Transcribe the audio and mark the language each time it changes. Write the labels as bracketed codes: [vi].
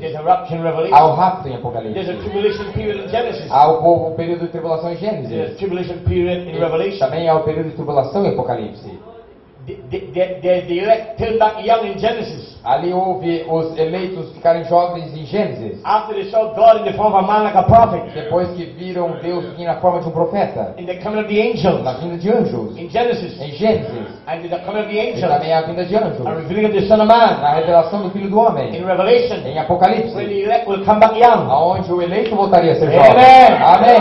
[en] There's a rapture in Revelation. [pt] Há o rapto em Apocalipse. [en] There's a tribulation period in Genesis. [pt] Há o período de tribulação em Gênesis. [en] There's a tribulation period in Revelation. [pt] Também há o período de tribulação em Apocalipse. [en] The elect turned back young in Genesis. [pt] Ali houve os eleitos ficarem jovens em Gênesis. [en] After they saw God in the form of a man like a prophet. [pt] Depois que viram Deus vir na forma de um profeta. [en] In the coming of the angels. [pt] Na vinda de anjos. [en] In Genesis. [pt] Em Gênesis. [en] And in the coming of the angels. [pt] E também a vinda de anjos. [en] A revealing of the Son of Man. [pt] Na revelação do Filho do Homem. [en] In Revelation. [pt] Em Apocalipse. [en] When the elect will come back young. [pt] Aonde o eleito voltaria a ser jovem. [en] Amen.